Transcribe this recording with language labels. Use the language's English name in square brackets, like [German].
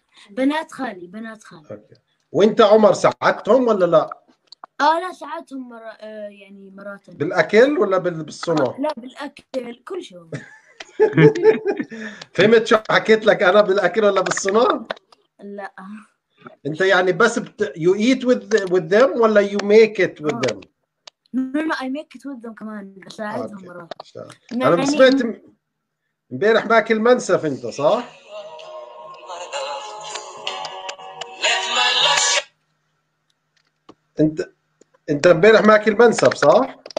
[Arabic] بنات خالي. أوكي. وانت عمر ساعدتهم ولا لا؟ لا ساعدتهم مرة، يعني مرات بالاكل ولا بالصنع؟ لا بالاكل، كل شيء. فهمت شو حكيت لك انا، بالاكل ولا بالصنع؟ لا انت يعني بس [English] you eat with them [Arabic] ولا [English] you make it with them؟ No, I make it with them [Arabic] كمان، بساعدهم مرات. أنا بسمعت امبارح باكل منسف أنت، صح؟ أنت امبارح ماكل منسف، صح؟